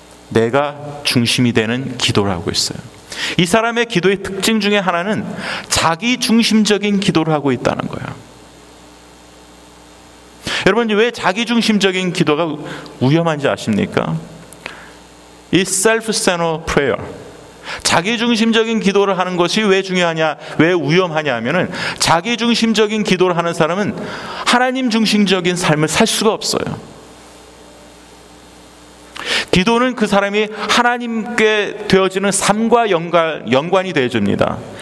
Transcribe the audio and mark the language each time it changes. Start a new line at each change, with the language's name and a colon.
Korean: 내가 중심이 되는 기도를 하고 있어요. 이 사람의 기도의 특징 중에 하나는 자기 중심적인 기도를 하고 있다는 거예요. 여러분 왜 자기 중심적인 기도가 위험한지 아십니까?
English: It's self-centered prayer.
Korean: 자기 중심적인 기도를 하는 것이 왜 중요하냐, 왜 위험하냐 하면은 자기 중심적인 기도를 하는 사람은 하나님 중심적인 삶을 살 수가 없어요. 기도는 그 사람이 하나님께 되어지는 삶과 연관이 되어줍니다.